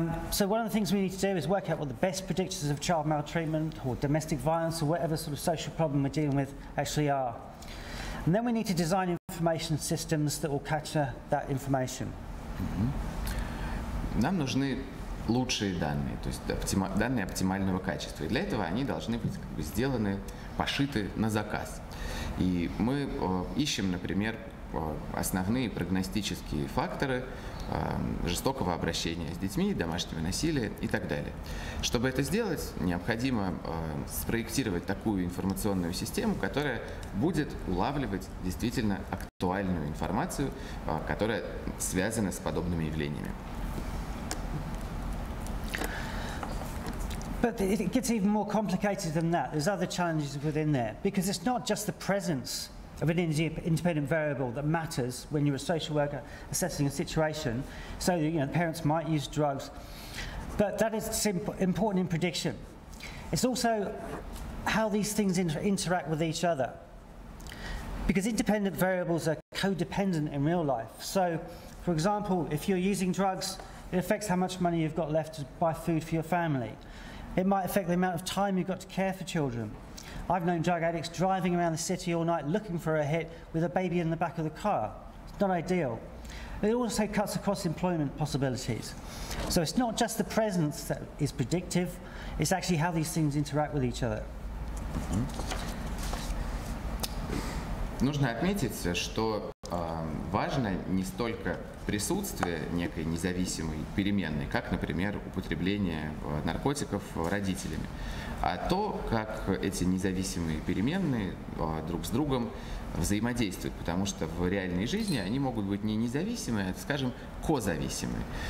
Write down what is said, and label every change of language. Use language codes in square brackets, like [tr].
[en] So one of the things we need to do is work out what the best predictors of child maltreatment or domestic violence or whatever sort of social problem we're dealing with actually are. And then we need to design information systems that will capture that information. Mm-hmm. [ru] Нам нужны лучшие данные, то есть данные оптимального качества. И для этого они должны быть как бы сделаны, пошиты на заказ. И мы ищем, например, основные прогностические факторы жестокого обращения с детьми, домашнего насилия и так далее. Чтобы это сделать, необходимо спроектировать такую информационную систему, которая будет улавливать действительно актуальную информацию, которая связана с подобными явлениями. [en] But it gets even more complicated than that. There's other challenges within there, because it's not just the presence of an independent variable that matters when you're a social worker assessing a situation. So, you know, parents might use drugs, but that is important in prediction. It's also how these things interact with each other, because independent variables are codependent in real life. So, for example, if you're using drugs, it affects how much money you've got left to buy food for your family. It might affect the amount of time you've got to care for children. I've known drug addicts driving around the city all night looking for a hit with a baby in the back of the car. It's not ideal. It also cuts across employment possibilities. So it's not just the presence that is predictive, it's actually how these things interact with each other. Mm-hmm. [ru] Нужно отметить, что важно не столько присутствие некой независимой переменной, как, например, употребление наркотиков родителями, а то, как эти независимые переменные друг с другом взаимодействуют, потому что в реальной жизни они могут быть не независимые, а, скажем, козависимые.